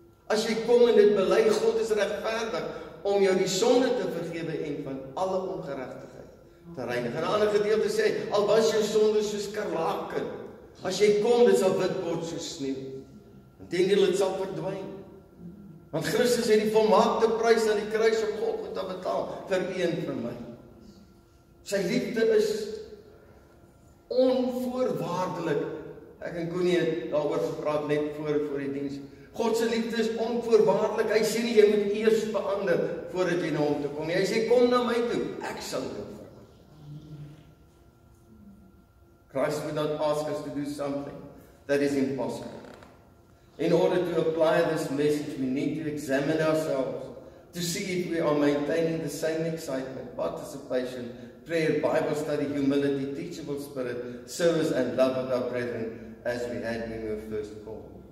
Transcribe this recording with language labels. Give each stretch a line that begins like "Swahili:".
Afrikaans: As jy kom en dit bely, God is regverdig om jou die sonde te vergewe en van alle ongeregtigheid te reinig. En 'n ander gedeelte sê hy al was jou sondes soos skarlaken. As jy kom, dit sal wit word soos sneeu. En teen die lid sal verdwyn. Want Christus het die volmaakte prys aan die kruis op Golgotha betaal vir u en vir my. Sy liefde is onvoorwaardelik. Ek en Koenie het daaroor gepraat net voor die diens. God se liefde is onvoorwaardelik. Hy sê nie jy moet eers verander voordat jy na hom toe kom nie. Hy sê kom na my toe. Ek sal doen.
English: Christ would not ask us to do something that is impossible. In order to apply this message, we need to examine ourselves to see if we are maintaining the same excitement, participation, prayer, Bible study, humility, teachable spirit, service and love of our brethren as we had when we were first called.